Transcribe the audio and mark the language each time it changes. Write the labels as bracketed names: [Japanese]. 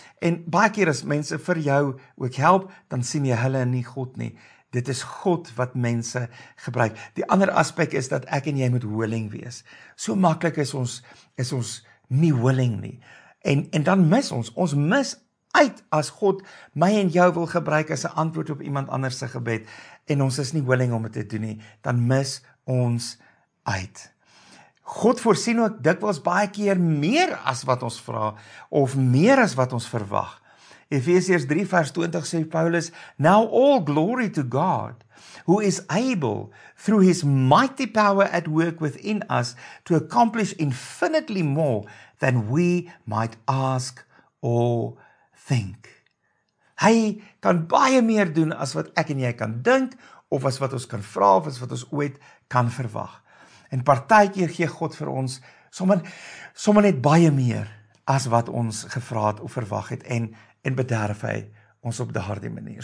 [Afrikaans] En baie keer as mense vir jou ook help, dan sien jy hulle nie God nie. Dit is God wat mense gebruik. Die ander aspek is dat ek en jy moet willing wees. So maklik is ons nie willing nie. En dan mis ons mis uit as God my en jou wil gebruik as 'n antwoord op iemand anders se gebed en ons is nie willing om dit te doen nie, dan mis ons uit. God voorsien ook dikwels baie keer meer as wat ons vra of meer as wat ons verwag. Efesiërs 3 vers 20 sê Paulus, [English] "Now all glory to God, who is able through his mighty power at work within us to accomplish infinitely more than we might ask or think." [Afrikaans] Hy kan baie meer doen as wat ek en jy kan dink, of as wat ons kan vra, of as wat ons ooit kan verwag. En partykeer gee God vir ons sommer net baie meer as wat ons gevra het of verwag het, en bederf hy ons op daardie manier.